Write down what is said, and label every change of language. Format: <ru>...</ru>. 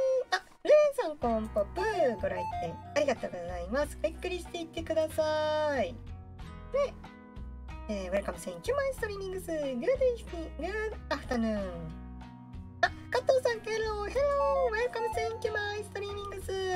<ja>あ、レンさん、コンポプーご来店ありがとうございます。ゆっくりしていってくださいね。</ja> <en>Welcome, thank you, my streamings. Good evening, good afternoon. あ、加藤さん、ヘロー、ヘロー、ウェルカム、センキュー、マイストリーミングス。</en>